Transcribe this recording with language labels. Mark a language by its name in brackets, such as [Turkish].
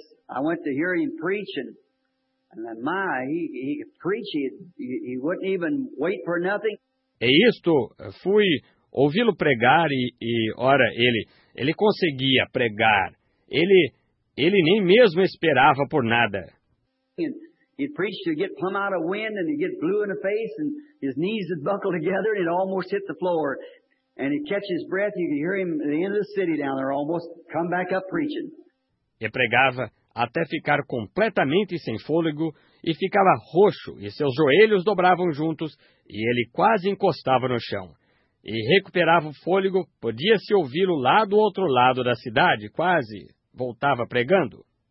[English] I went to hear him preach, and he could preach. He wouldn't even wait for nothing. [Portuguese] E isto, fui ouvi-lo pregar e ora, ele conseguia pregar. Ele nem mesmo esperava por nada. [English] He'd preach to get plumb out of wind, and he'd get blue in the face, and his knees would buckle together, and he'd almost hit the floor. And he'd catch his breath. You could hear him at the end of the city down there, almost come back up preaching. [Portuguese] E pregava até ficar completamente sem fôlego, e ficava roxo, e seus joelhos dobravam juntos, e ele quase encostava no chão. E recuperava o fôlego, podia-se ouvi-lo lá do outro lado da cidade, quase voltava pregando.